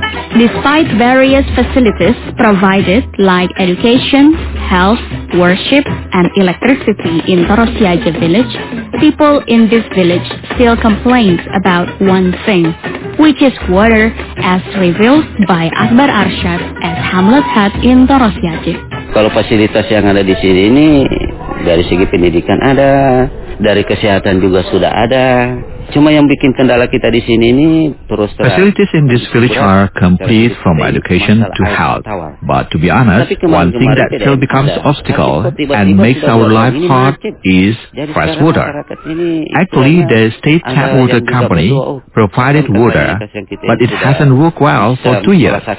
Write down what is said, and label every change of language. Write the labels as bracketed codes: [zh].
[en] Despite various facilities provided like education, health, worship, and electricity in Torosiaje village, people in this village still complain about one thing, which is water, as revealed by Akbar Arshad as hamlet head in Torosiaje. [id] Kalau fasilitas yang ada di sini ini, dari segi pendidikan ada, dari kesehatan juga sudah ada. Cuma yang bikin kendala kita di sini ini terus terang. [en] Facilities in this village are complete from education to health. But to be honest, one thing that still becomes obstacle and makes our life hard is fresh water. Actually, the state tap water company provided water, but it hasn't worked well for 2 years.